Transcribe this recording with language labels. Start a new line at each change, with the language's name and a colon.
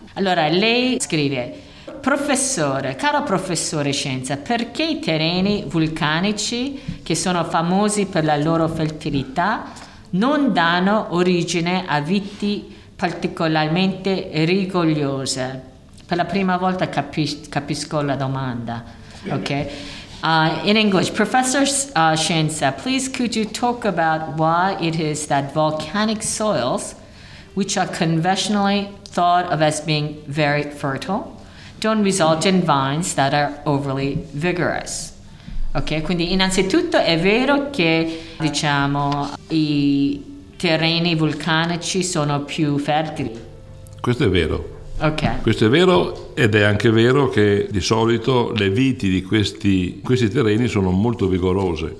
Italian: Allora, lei scrive: professore, caro professore Scienza, perché i terreni vulcanici, che sono famosi per la loro fertilità, non danno origine a viti particolarmente rigogliose? Per la prima volta capisco la domanda. Ok.
English: In English, Professor Scienza, please could you talk about why it is that volcanic soils, which are conventionally thought of as being very fertile, don't result in vines that are overly vigorous?
Italian: Ok, quindi innanzitutto è vero che, diciamo, i terreni vulcanici sono più fertili. Questo è vero.
English: Okay.
Italian: Questo è vero, ed è anche vero che di solito le viti di questi terreni sono molto vigorose.